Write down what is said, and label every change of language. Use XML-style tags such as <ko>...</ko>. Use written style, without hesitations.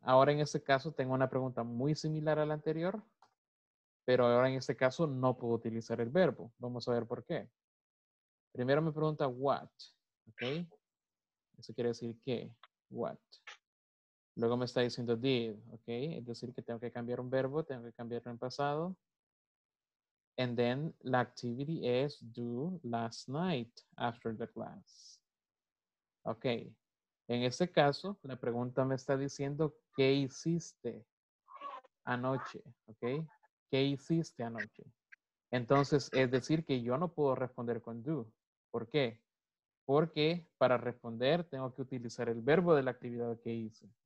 <es>Ahora en este caso tengo una pregunta muy similar a la anterior, pero ahora en este caso no puedo utilizar el verbo. Vamos a ver por qué. Primero me pregunta what. Okay. Eso quiere decir qué. What. Luego me está diciendo did. Okay. Es decir que tengo que cambiar un verbo, tengo que cambiarlo en pasado.</es> <en>And then la activity is do last night after the class. Okay.</en> <es>En este caso, la pregunta me está diciendo, ¿qué hiciste anoche? ¿Ok? ¿Qué hiciste anoche? Entonces, es decir que yo no puedo responder con do. ¿Por qué? Porque para responder tengo que utilizar el verbo de la actividad que hice.</es>